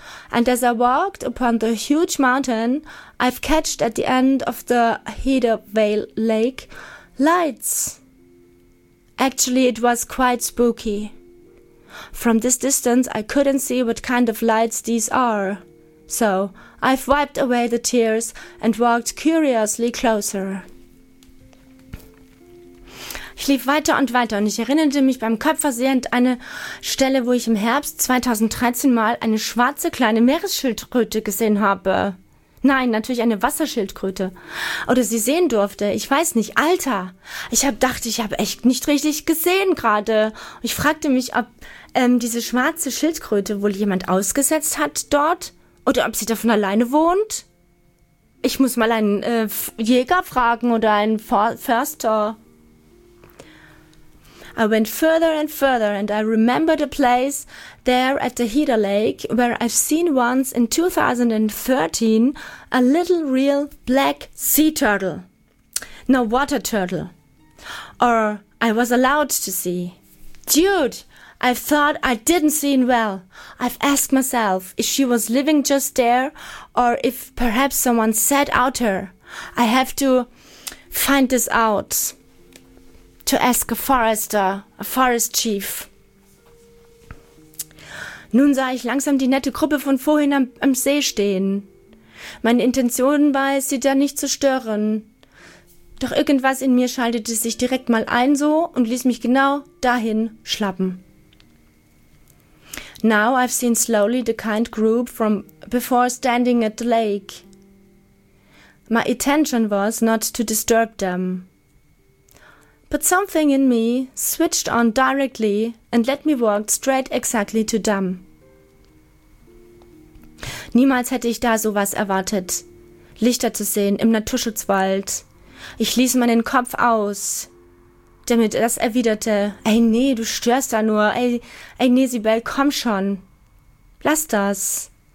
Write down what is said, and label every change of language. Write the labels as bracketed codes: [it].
[en] And as I walked upon the huge mountain, I've catched at the end of the Heather Vale Lake lights. Actually, it was quite spooky. From this distance, I couldn't see what kind of lights these are. So, I've wiped away the tears and walked curiously closer. [de] Ich lief weiter und weiter und ich erinnerte mich beim Kopf versehend eine Stelle, wo ich im Herbst 2013 mal eine schwarze kleine Meeresschildkröte gesehen habe. Nein, natürlich eine Wasserschildkröte. Oder sie sehen durfte. Ich weiß nicht. Alter, ich habe echt nicht richtig gesehen gerade. Ich fragte mich, ob diese schwarze Schildkröte wohl jemand ausgesetzt hat dort oder ob sie davon alleine wohnt. Ich muss mal einen Jäger fragen oder einen Förster. [en] I went further and further and I remembered a place there at the Heather Lake where I've seen once in 2013 a little real black sea turtle. No, water turtle. Or I was allowed to see. Dude, I thought I didn't see it well. I've asked myself if she was living just there or if perhaps someone set out her. I have to find this out. To ask a forest chief. [de] Nun sah ich langsam die nette Gruppe von vorhin am See stehen. Meine Intention war es, sie da nicht zu stören. Doch irgendwas in mir schaltete sich direkt mal ein so und ließ mich genau dahin schlappen. [en] Now I've seen slowly the kind group from before standing at the lake. My intention was not to disturb them. But something in me switched on directly and let me walk straight exactly to them. [de] Niemals hätte ich da sowas erwartet, Lichter zu sehen im Naturschutzwald. Ich ließ meinen Kopf aus, damit das erwiderte, ey nee, du störst da nur, ey nee, Sibel, komm schon, lass das.